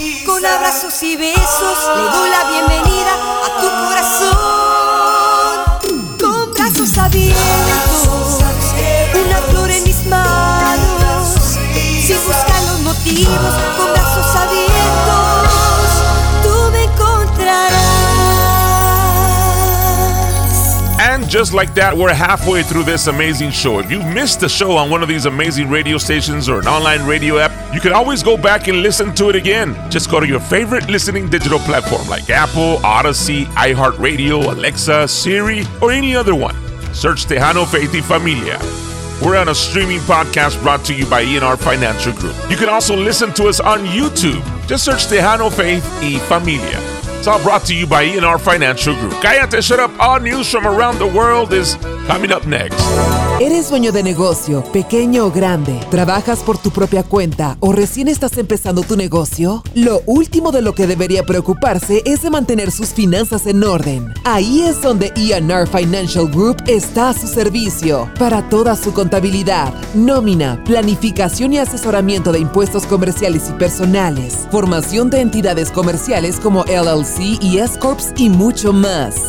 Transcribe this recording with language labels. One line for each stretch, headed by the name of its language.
Spanish: Con abrazos y besos, le doy la bienvenida a tu corazón. Con brazos abiertos, una flor en mis manos. Si buscas los motivos, con brazos abiertos, tú me encontrarás.
English: And just like that, we're halfway through this amazing show. If you missed the show on one of these amazing radio stations or an online radio app, you can always go back and listen to it again. Just go to your favorite listening digital platform like Apple, Odyssey, iHeartRadio, Alexa, Siri, or any other one. Search Tejano Faith y Familia. We're on a streaming podcast brought to you by ENR Financial Group. You can also listen to us on YouTube. Just search Tejano Faith y Familia. It's all brought to you by ENR Financial Group.
Spanish: Cállate,
English: shut up. All news from around the world is coming up next.
Spanish: ¿Eres dueño de negocio, pequeño o grande? ¿Trabajas por tu propia cuenta o recién estás empezando tu negocio? Lo último de lo que debería preocuparse es de mantener sus finanzas en orden. Ahí es donde ENR Financial Group está a su servicio. Para toda su contabilidad, nómina, planificación y asesoramiento de impuestos comerciales y personales, formación de entidades comerciales como LLC y S-Corps y mucho más.